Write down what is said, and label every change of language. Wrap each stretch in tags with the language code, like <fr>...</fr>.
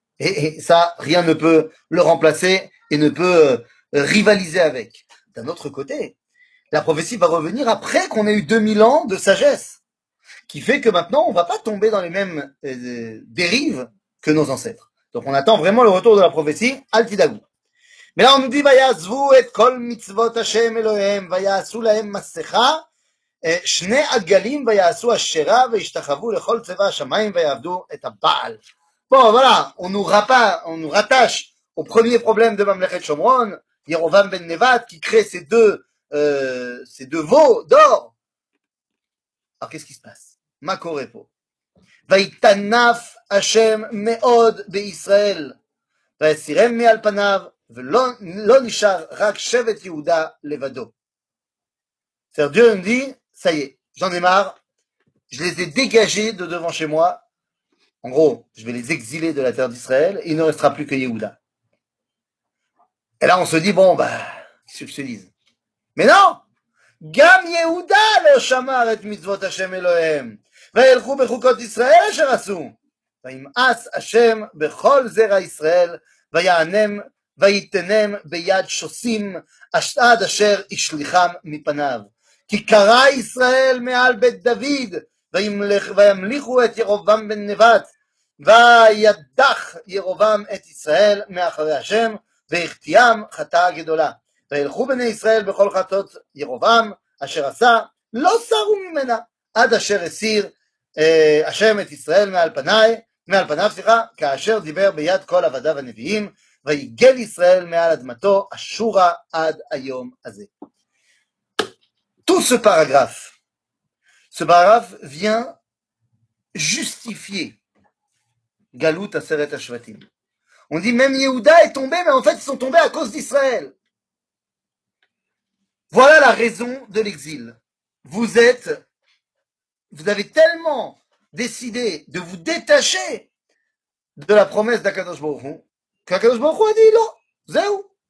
<fr>Et ça, rien ne peut le remplacer et ne peut rivaliser avec. D'un autre côté, la prophétie va revenir après qu'on ait eu 2000 ans de sagesse, qui fait que maintenant, on ne va pas tomber dans les mêmes dérives que nos ancêtres. Donc, on attend vraiment le retour de la prophétie, al-tidagou. Mais là, on nous dit,</fr> <he>ויעזבו את כל מצוות השם אלוהים, ויעשו להם מסכה, שני עגלים, ויעשו אשרה, וישתחוו לכל צבא השמיים, ויעבדו את הבעל.</he> <fr>Bon, voilà, on nous rattache au premier problème de ממלכת שומרון, ירובעם בן נבט, qui crée ces deux veaux d'or. Alors, qu'est-ce qui se passe?</fr> <he>מה קורה פה? ויתנף השם מאוד בישראל, ויסירם מעל פניו, ולא, לא נשאר רק שבט יהודה לבדו.</he> <fr>C'est-à-dire, Dieu me dit, ça y est, j'en ai marre, je les ai dégagés de devant chez moi, en gros, je vais les exiler de la terre d'Israël, il ne restera plus que Yehuda. Et là, on se dit, bon, bah, qu'est-ce que je te dis ? Mais non !</fr> <he>גם יהודה לא שמר את מצוות השם אלוהים, וילכו בחוקות ישראל אשר עשו, וימאס השם בכל זרע ישראל, ויענם ויתנם ביד שוסים עד אשר ישליחם מפניו. כי קרא ישראל מעל בית דוד, וימליכו את ירובעם בן נבט, וידח ירובעם את ישראל מאחרי השם, והחטיאם חטאה גדולה. וילכו בני ישראל בכל חטאות ירובעם, אשר עשה, לא סרו ממנה, עד אשר הסיר השם את ישראל מעל פניו, כאשר דיבר ביד כל עבדיו הנביאים, ויגל ישראל מעל אדמתו אשורה עד היום הזה.</he> <fr>Tout ce paragraphe vient justifier Galout Aseret HaShvatim. On dit même Yehuda est tombé, mais en fait ils sont tombés à cause d'Israël. Voilà la raison de l'exil. Vous avez tellement décidé de vous détacher de la promesse d'Akadosh Baruch Hu, qu'Akadosh Baruch Hu a dit non, Zéou.</fr>